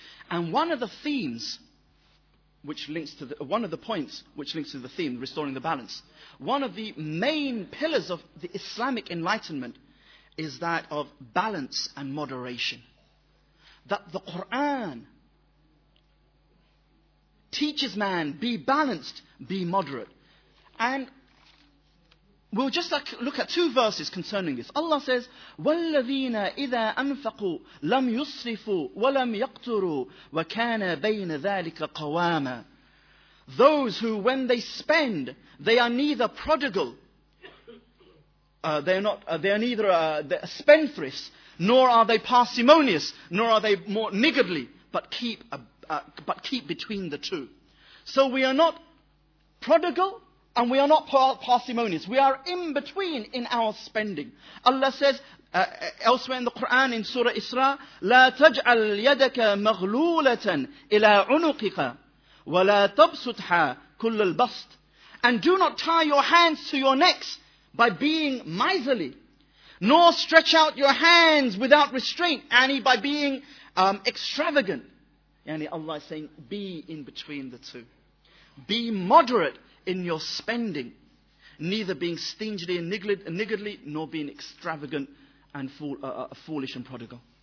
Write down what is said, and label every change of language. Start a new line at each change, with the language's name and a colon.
English: And one of the themes which links to the, one of the points which links to the theme, restoring the balance, one of the main pillars of the Islamic enlightenment is that of balance and moderation. That the Quran teaches man, be balanced, be moderate. And we'll just like look at two verses concerning this. Allah says,
Arabic: وَالَّذِينَ إِذَا أَنْفَقُوا لَمْ يُصْرِفُوا وَلَمْ يَقْتُرُوا وَكَانَ بَيْنَ ذَلِكَ قَوَامًا.
English: Those who, when they spend, they are neither prodigal, they are neither spendthrifts, nor are they parsimonious, nor are they more niggardly, but keep between the two. So we are not prodigal, and we are not parsimonious. We are in between in our spending. Allah says elsewhere in the Quran, in Surah Isra,
Arabic: لا تجعل يدك مغلولة إلى عنقك ولا تبسطها كل البسط.
English: And do not tie your hands to your necks by being miserly, nor stretch out your hands without restraint, yani by being extravagant. Yani Allah is saying, be in between the two. Be moderate in your spending, neither being stingy and niggardly, nor being extravagant and foolish and prodigal.